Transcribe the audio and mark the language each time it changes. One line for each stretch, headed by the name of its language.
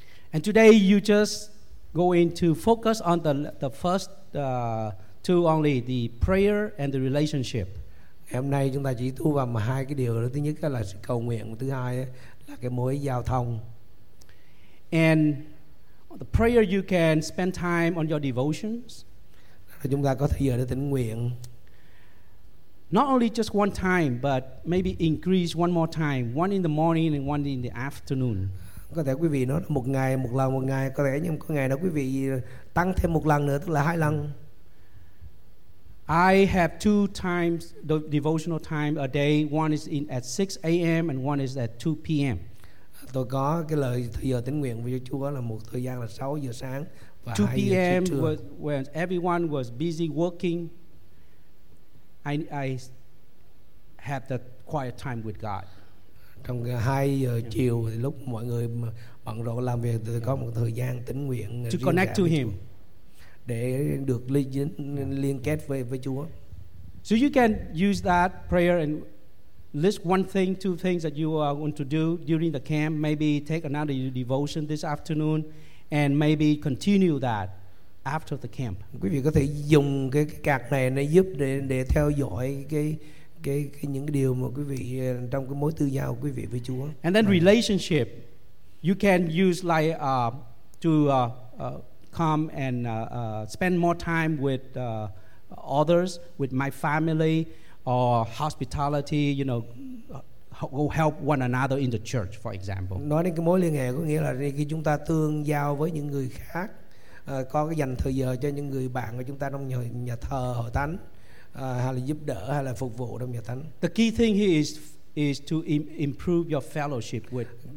English: And today you just going to focus on the first two only, the prayer and the relationship.
Vietnamese: Hôm nay chúng ta chỉ thu vào hai cái điều đó. Thứ nhất là sự cầu nguyện, thứ hai là cái mối giao thông.
English: And the prayer, you can spend time on your devotions.
Vietnamese: Chúng ta có thời giờ để tĩnh nguyện.
English: Not only just one time, but maybe increase one more time, one in the morning and one in the afternoon.
Vietnamese: Có thể quý vị nói một ngày, một lần, một ngày. Có thể nhưng có ngày đó quý vị tăng thêm một lần nữa, tức là hai lần.
English: I have two times the devotional time a day. One is in at 6 a.m. and one is at 2 p.m.
Vietnamese: Tôi có cái lời thời giờ tĩnh nguyện với Chúa là một thời gian là 6 giờ sáng và
English: 2 p.m. was when everyone was busy working. I have the quiet time with God.
Vietnamese: trong 2 giờ chiều thì lúc mọi người bận rộn làm việc thì có một thời gian tĩnh nguyện
English: to connect to him
Vietnamese: để được liên kết với Chúa.
English: So you can use that prayer and list one thing, two things that you are going to do during the camp, maybe take another devotion this afternoon and maybe continue that after the camp.
Vietnamese: Quý vị có thể dùng cái card này để giúp để theo dõi cái những điều mà quý vị trong cái mối tư giao quý vị với Chúa.
English: And then relationship, you can use like come and spend more time with others, with my family, or hospitality, you know, go help one another in the church, for example.
Vietnamese: Nói đến cái mối liên hệ có nghĩa là khi chúng ta tương giao với những người khác, có cái dành thời giờ cho những người bạn của chúng ta trong nhà thờ hội thánh, hay là giúp đỡ hay là phục vụ trong nhà thánh.
English: The key thing here is to improve your fellowship with one another.